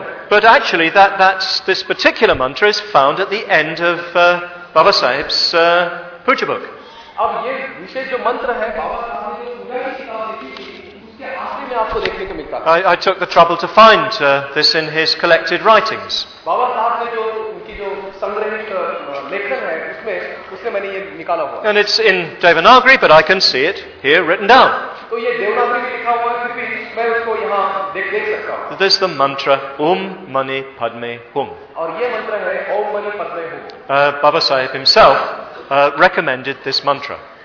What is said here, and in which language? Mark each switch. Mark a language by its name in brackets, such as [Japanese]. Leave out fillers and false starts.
[English] But actually this particular mantra is found at the end of Baba Saheb's puja book. [Hindi] अब ये विशेष जो मंत्र है बाबा साहब ने जो उसके आखिर में आपको देखने को मिलता है। [English] I took the trouble to find this in his collected writings। [Hindi] बाबा साहब ने जो उनकी जो संग्रहित लेखन है उसमें उसने मैंने ये निकाला हुआ। [English] And it's in Devanagari, but I can see it here written down। [Hindi] तो ये देवनागरी में लिखा हुआ है, फिर मैं उसको यहाँ देख सकता हूँ। [English] This is the mantra Om Mani Padme Hum। [Hindi] और ये मंत्र है Om Mani Padme Hum। [English] Baba Sahib himself recommended this mantra.